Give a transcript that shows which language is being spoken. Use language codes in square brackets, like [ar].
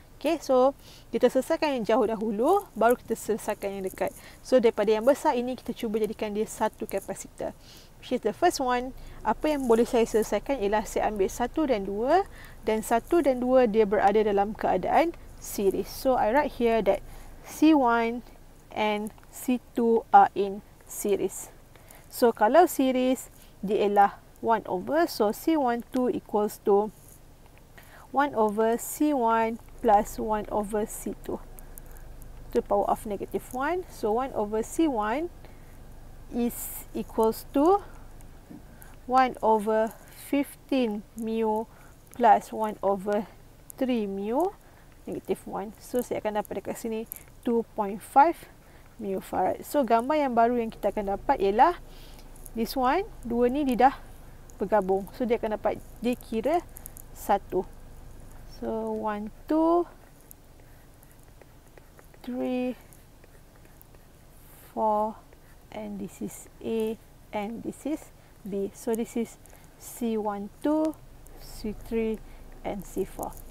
[ms] Okay, so kita selesaikan yang jauh dahulu, baru kita selesaikan yang dekat. So, daripada yang besar ini, kita cuba jadikan dia satu kapasitor. [en] Which is the first one, [ms] apa yang boleh saya selesaikan ialah saya ambil 1 dan 2. Dan 1 dan 2, dia berada dalam keadaan series. [en] So, I write here that C1 and C2 are in series. So, [ms] kalau series, dia ialah [en] 1 over. So, C12 equals to 1 over C1 plus 1 over C2 to the power of negative 1. So, 1 over C1 is equals to 1 over 15 mu plus 1 over 3 mu negative 1. [ms] So, saya akan dapat dekat sini 2.5 mu farad. So, gambar yang baru yang kita akan dapat ialah [en] this one, [ms] 2 ni dia dah bergabung. So, dia akan dapat dikira 1. [en] So, 1, 2, 3, 4, and this is A, and this is B. So, this is C1, 2, C3, and C4.